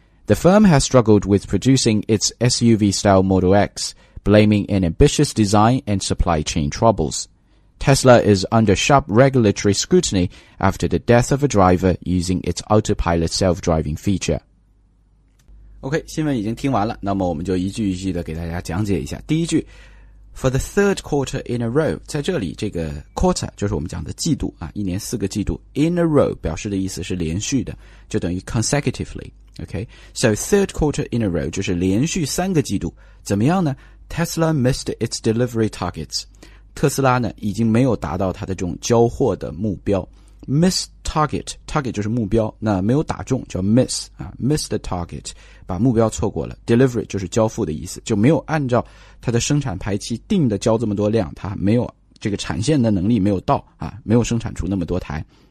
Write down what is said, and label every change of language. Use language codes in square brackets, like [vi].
[en] The firm has struggled with producing its SUV-style Model X, blaming an ambitious design and supply chain troubles. Tesla is under sharp regulatory scrutiny after the death of a driver using its autopilot self-driving feature. [zh] OK, 新闻已经听完了，那么我们就一句一句的给大家讲解一下。第一句 , [en] For the third quarter in a row, [zh] 在这里这个 quarter 就是我们讲的季度啊，一年四个季度 , [en] in a row [zh] 表示的意思是连续的，就等于 consecutively, OK? [en] So third quarter in a row [zh] 就是连续三个季度，怎么样呢？ [en] Tesla missed its delivery targets. [zh] 特斯拉呢已经没有达到它的这种交货的目标。 Miss target, target 就是目标，那没有打中叫 miss, 啊 , [en] miss the target, [zh] 把目标错过了。 Delivery 就是交付的意思，就没有按照它的生产排期定的交这么多量，它没有这个产线的能力没有到啊，没有生产出那么多台。